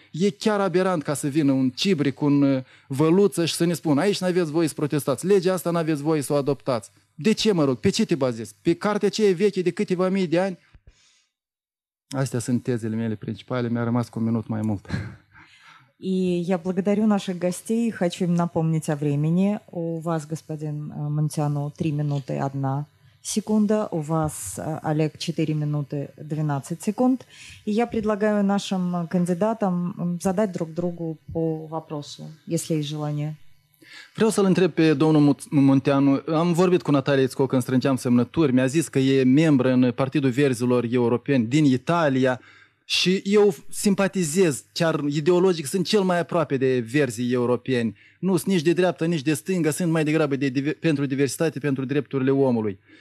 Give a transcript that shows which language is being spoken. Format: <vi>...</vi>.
<ro>E chiar aberant ca să vină un cibric, un văluță și să ne spună aici n-aveți voie să protestați, legea asta n-aveți voie să o adoptați. De ce, mă rog, pe ce te bazezi? Pe cartea aceea veche de câteva mii de ani? Astea sunt tezele mele principale, mi-a rămas cu un minut mai mult.</ro> <ru>И я благодарю наших гостей. Хочу им напомнить о времени. У вас, господин Монтяну, 3 минуты 1 секунда. У вас, Олег, 4 минуты 12 секунд. И я предлагаю нашим кандидатам задать друг другу по вопросу, если есть желание.</ru> <ro>Vreau să-l întreb pe domnul Munteanu. Am vorbit cu Natalia Ițco când strângeam semnături. Mi-a zis că e membru în Partidul Verzilor Europeni din Italia. Și eu simpatizez, chiar ideologic, sunt cel mai aproape de verzii europeni. Nu sunt nici de dreapta, nici de stânga, sunt mai degrabă pentru diversitate, pentru drepturile omului.</ro>